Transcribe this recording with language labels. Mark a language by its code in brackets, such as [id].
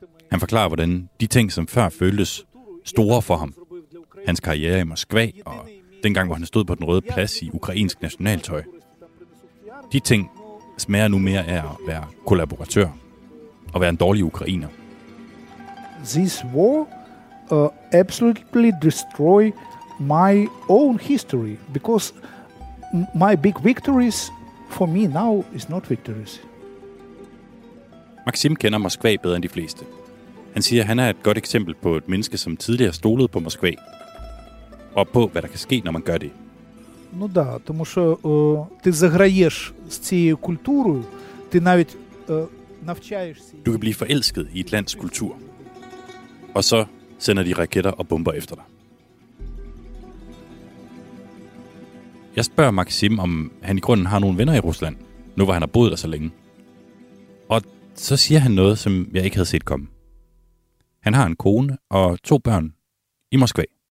[da] Han forklarer, hvordan de ting, som før føltes store for ham, hans karriere i Moskva og dengang, hvor han stod på den røde plads i ukrainsk nationaltøj, de ting smager nu mere af at være kollaboratør og være en dårlig ukrainer. [en] This war absolutely destroy my own history, because my big victories for me now is not victories. [da] Maxim kender Moskva bedre end de fleste. Han siger, at han er et godt eksempel på et menneske, som tidligere stolede på Moskva, og på, hvad der kan ske, når man gør det. [uk] Ну да, тому що ти заграєш з цією культурою, ти навіть навчаєшся. [da] Du kan blive forelsket i et lands kultur, og så sender de raketter og bomber efter dig. Jeg spørger Maxim, om han i grunden har nogle venner i Rusland, nu hvor han har boet der så længe. Og så siger han noget, som jeg ikke havde set komme. Han har en kone og to børn i Moskva.